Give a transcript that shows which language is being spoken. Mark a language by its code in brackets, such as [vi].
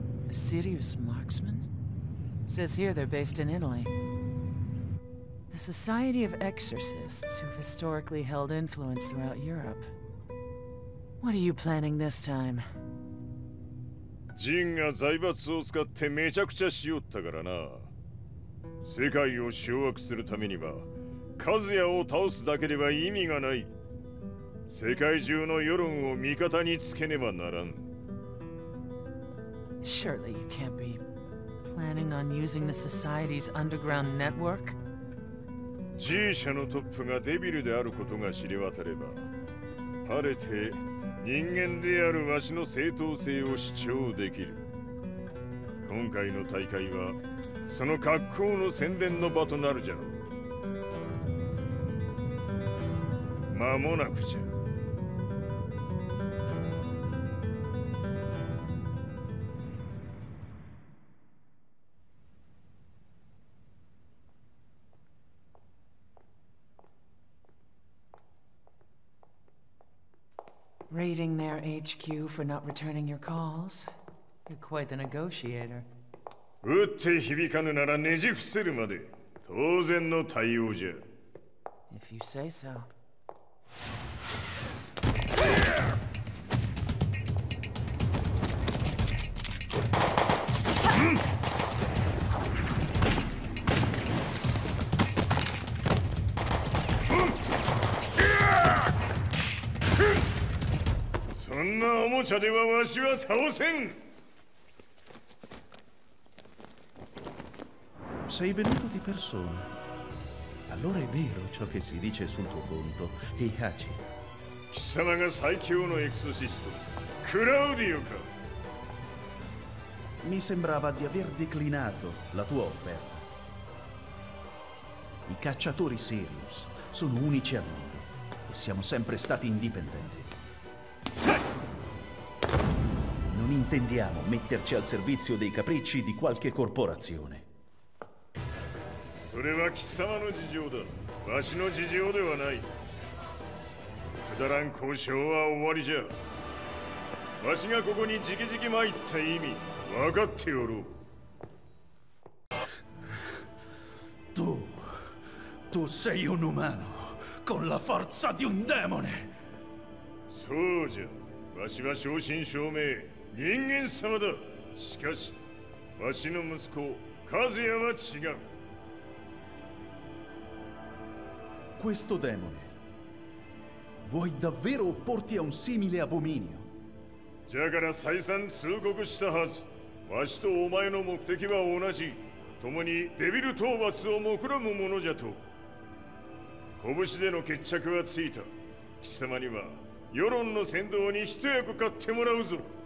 [en] A serious marksman? Says here they're based in Italy. A society of exorcists who've historically held influence throughout Europe. What are you planning this time? [ja] ジンが財閥を使ってめちゃくちゃしよったからな。世界を掌握するためにはカズヤを倒すだけでは意味がない。世界中の世論を味方につけねばならん。 [en] Surely you can't be planning on using the society's underground network? [ja] G 社のトップがデビルであることが知れ渡れば、晴れて人間であるわしの正当性を主張できる。今回の大会はその格好の宣伝の場となるじゃろう。間もなくじゃ。 [en] Raiding their HQ for not returning your calls? You're quite the negotiator. [ja] 打って響かぬならねじ伏せるまで、当然の対応じゃ。 [en] If you say so. [ja] おもちゃではわしは倒せん。 [it] Sei venuto di persona. Allora è vero ciò che si dice sul tuo conto, Heihachi. [ja] 貴様が最強のエクソシスト、クラウディオか。 [it] Mi sembrava di aver declinato la tua offerta. I cacciatori Sirius sono unici al mondo e siamo sempre stati indipendenti. Intendiamo metterci al servizio dei capricci di qualche corporazione. [ja] それは貴様の事情だ。わしの事情ではない。くだらん交渉は終わりじゃ。わしがここにじきじき参った意味、分かっておろう。 [it] Tu sei un umano con la forza di un demone. [ja] そうじゃ。わしは正真正銘。人間様だ。しかし、わしの息子、カズヤは違う。 [it] Questo demone、vuoi davvero opporti a un simile abominio? [ja] じゃから再三通告したはず。わしとお前の目的は同じ。共にデビル討伐を目論む者じゃと。拳での決着はついた。貴様には、世論の先導に一役買ってもらうぞ。